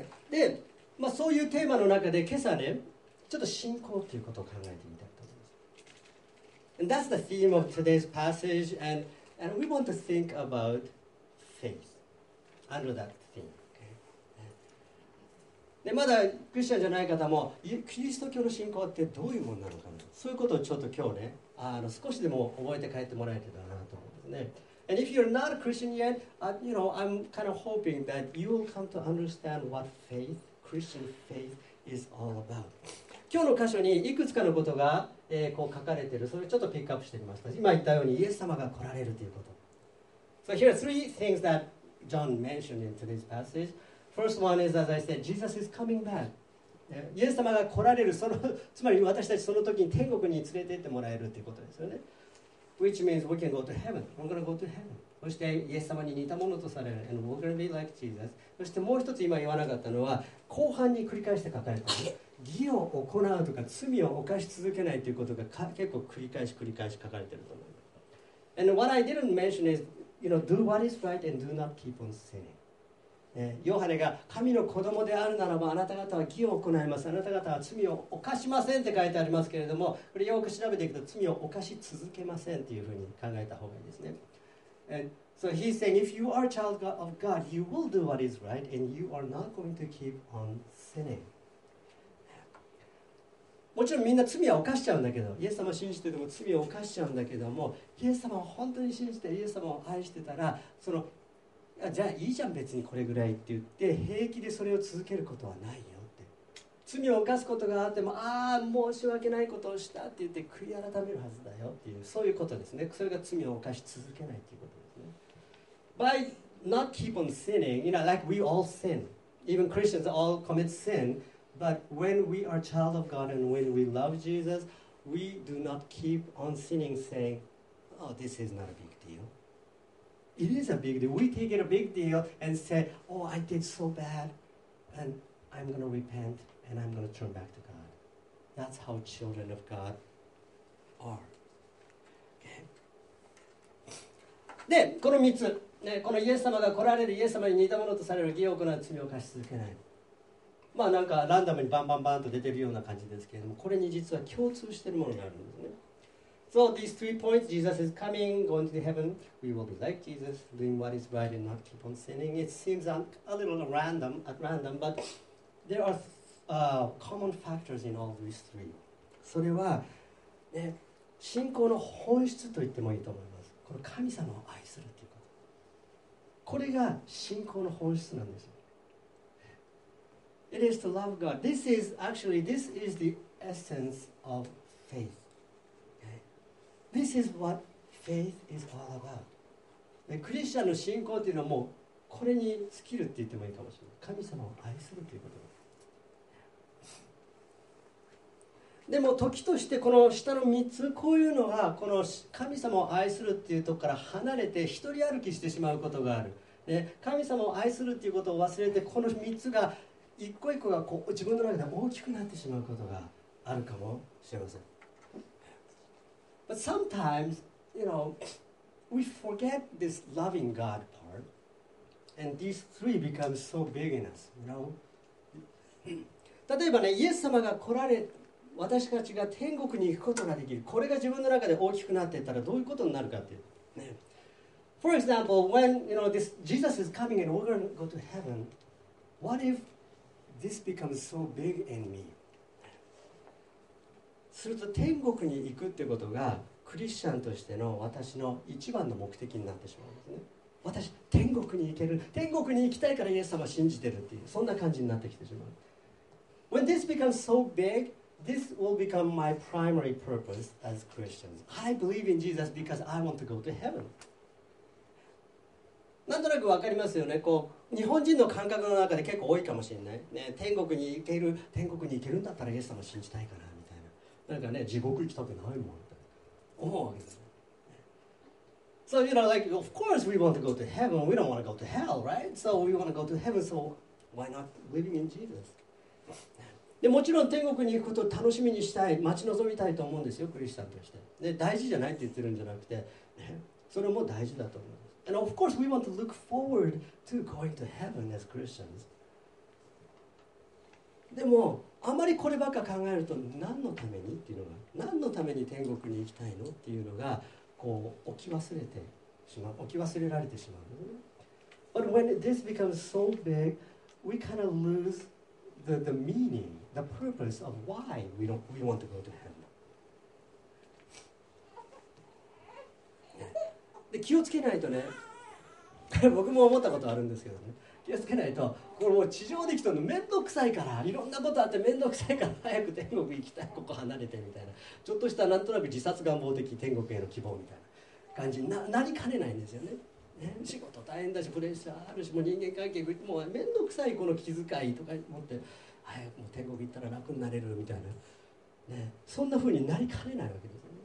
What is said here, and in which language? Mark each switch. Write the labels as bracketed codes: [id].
[ja] で、まあ、そういうテーマの中で今朝ね、ちょっと信仰ということを考えてみたいと思います。 [en] And that's the theme of today's passage, and we want to think about faith under that theme.、Okay? [ja] で、まだクリスチャンじゃない方も、キリスト教の信仰ってどういうものなのかな、そういうことをちょっと今日ね、少しでも覚えて帰ってもらえてたらなと思うんですね。 [en] And if you're not a Christian yet, you know, I'm kind of hoping that you will come to understand what faith, Christian faith, is all about. [ja] 今日の箇所にいくつかのことが、こう書かれている。それをちょっとピックアップしてみました。今言ったようにイエス様が来られるということ。 [en] So here are three things that John mentioned in today's passage. First one is, as I said, Jesus is coming back. [ja] イエス様が来られる、つまり私たちその時に天国に連れて行ってもらえるということですよね。 [en] Which means we can go to heaven. We're going to go to heaven. [ja] そしてイエス様に似たものとされる。 [en] And we're going to be like Jesus. [ja] そしてもう一つ今言わなかったのは、後半に繰り返して書かれた。義を行うとか罪を犯し続けないということが結構繰り返し繰り返し書かれていると思います。 [en] And what I didn't mention is, you know, do what is right and do not keep on sinning.、 [ja] ヨハネが神の子供であるならば、あなた方は義を行います。あなた方は罪を犯しませんって書いてありますけれども、これよく調べていくと、罪を犯し続けませんというふうに考えた方がいいですね。 And so he's saying, if you are a child of God, you will do what is right and you are not going to keep on sinning. もちろんみんな罪は犯しちゃうんだけど、イエス様を信じてでも罪を犯しちゃうんだけども、イエス様を本当に信じてイエス様を愛してたら、そのじゃあいいじゃん別にこれぐらいって言って平気でそれを続けることはないよって、罪を犯すことがあっても、ああ申し訳ないことをしたって言って悔い改めるはずだよっていう、そういうことですね。それが罪を犯し続けないということですね。 [en] By not keep on sinning, you know, like we all sin, even Christians all commit sinBut when we are child of God and when we love Jesus, we do not keep on sinning, saying, oh, this is not a big deal. It is a big deal. We take it a big deal and say, oh, I did so bad, and I'm going to repent, and I'm going to turn back to God. That's how children of God are. Okay? [ja] で、この3つ、ね、このイエス様が来られる、イエス様に似たものとされる、義を行う、罪を犯し続けない。まあ、なんかランダムにバンバンバンと出てるような感じですけれども、これに実は共通しているものがあるんですね。 [en] So these three points, Jesus is coming, going to the heaven, we will be like Jesus, doing what is right and not keep on sinning. It seems a little random, at random, but there are common factors in all these three. [ja] それは、ね、信仰の本質と言ってもいいと思います。この神様を愛するということ、これが信仰の本質なんですよ。 [en] It is to love God. This is actually, this is the essence of faith. This is what faith is all about. [ja] クリスチャンの信仰というのはもうこれに尽きるって言ってもいいかもしれない。神様を愛するということです。でも時としてこの下の3つ、こういうのがこの神様を愛するっていうところから離れて一人歩きしてしまうことがある。神様を愛するっていうことを忘れて、この3つが一個一個がこう自分の中で大きくなってしまうことがあるかもしれません。 [en] But sometimes, you know, we forget this loving God part, and these three become so big in us, you know? [ja] 例えばね、イエス様が来られ、私たちが天国に行くことができる、これが自分の中で大きくなっていったらどういうことになるかっていう、ね。 [en] For example, when, you know, this Jesus is coming and we're going to go to heaven, what ifThis becomes so big in me. [ja] すると天国に行くってことがクリスチャンとしての私の一番の目的になってしまうんですね。私天国に行ける、天国に行きたいからイエス様信じてるっていう、そんな感じになってきてしまう。 [en] When this becomes so big, this will become my primary purpose as Christians. I believe in Jesus because I want to go to heaven. [ja] なんとなくわかりますよね。こう日本人の感覚の中で結構多いかもしれない、ね、天国に行ける、天国に行けるんだったらイエス様信じたいかなみたいな、なんかね、地獄行きたくないもんみたいな思うわけです。 [en] So you know, like, of course we want to go to heaven. We don't want to go to hell, right? So we want to go to heaven. So why not living in Jesus? [ja] でもちろん天国に行くことを楽しみにしたい、待ち望みたいと思うんですよ、クリスチャンとして。で大事じゃないって言ってるんじゃなくて、ね、それも大事だと思う。 [en] And of course, we want to look forward to going to heaven as Christians. [ja] でも、あまりこればっか考えると、何のためにっていうのが、何のために天国に行きたいのっていうのが、こう、置き忘れてしまう、置き忘れられてしまう。 [en] But when this becomes so big, we kind of lose the meaning, the purpose of why we want to go to heaven. [ja] で気をつけないとね、僕も思ったことあるんですけどね、気をつけないと、これもう地上で来たの面倒くさいから、いろんなことあって面倒くさいから早く天国行きたい、ここ離れてみたいな、ちょっとしたなんとなく自殺願望的天国への希望みたいな感じに なりかねないんですよ ね仕事大変だしプレッシャーあるし、もう人間関係もう面倒くさい、この気遣いとか思って、早くもう天国行ったら楽になれるみたいな、ね、そんな風になりかねないわけです。